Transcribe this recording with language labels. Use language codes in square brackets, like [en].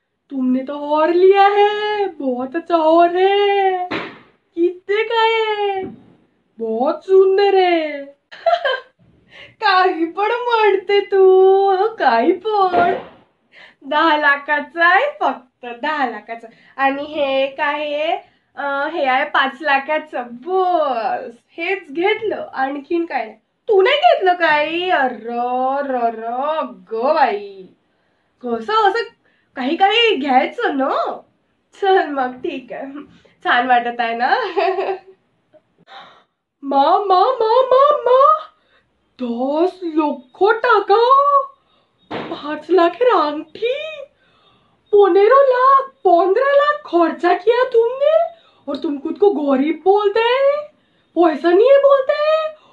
[hi] तुमने तो और लिया है, बहुत अच्छा और है, कितने का है? बहुत सुंदर है। [mr] काही पण म्हणते तू, काही पण, 10 लाखाचा आहे फक्त, 10 लाखाचा। आणि हे काय आहे, हे आहे 5 लाखाचं, बस हेच घेतलं, आणखीन काय? तू नाही घेतलं काही? अर र ग बाई, कसं असं काही काही घ्यायचं ना? चल मग ठीक आहे, छान वाटत आहे ना। [hi] मा मा मा मा मा, [mr] 10 लाख टाका, 5 लाख अंगठी, [hi] 15 लाख, 15 लाख खर्चा किया तुमने, और तुम खुद को गरीब बोलते हैं, पैसा नहीं बोलते हैं?